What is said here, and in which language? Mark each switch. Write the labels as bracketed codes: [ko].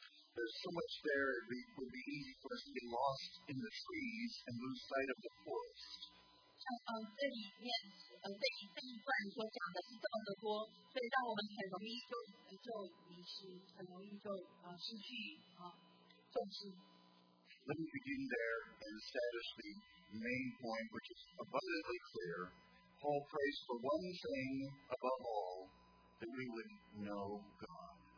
[en] There's so much there, it would be easy for us to be lost in the trees and lose sight of the forest. [zh] 这里面这一段所讲的是这么的多，所以让我们很容易就迷失，很容易就失去重视。 [en] Let me begin there and establish the main point, which is abundantly clear. Paul prays for one thing above all, that we would know God.